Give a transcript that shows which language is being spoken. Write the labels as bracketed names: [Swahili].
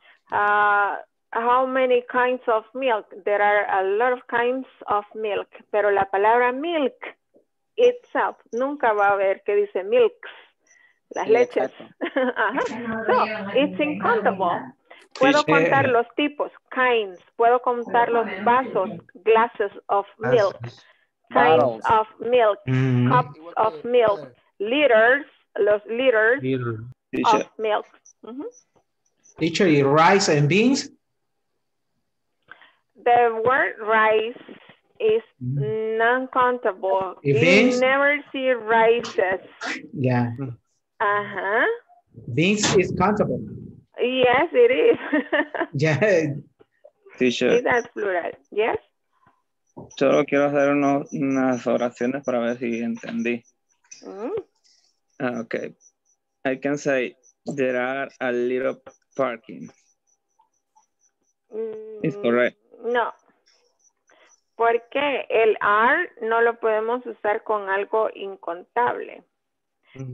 [English] How many kinds of milk? There are a lot of kinds of milk. [Spanish] Pero la palabra [English] milk, itself. [Spanish] Nunca va a ver que dice milks, las leches. [English] So, it's incountable. [Spanish] Puedo contar los tipos, kinds. Puedo contar los vasos, [English] glasses of milk. Kinds of milk, cups of milk. Liters, los liters of milk. Teacher, mm-hmm. Rice and beans? The word rice is non-countable. Beans? You never see rices. Yeah. Uh-huh. Beans is countable. Yes, it is. Yeah. Teacher. Is that plural? Yes. [Spanish] Solo quiero hacer unas oraciones para ver si entendí. Mm-hmm. Okay. [English] I can say there are a little parking. Mm-hmm. It's correct. [Spanish] No. Porque el are no lo podemos usar con algo incontable. Mm-hmm.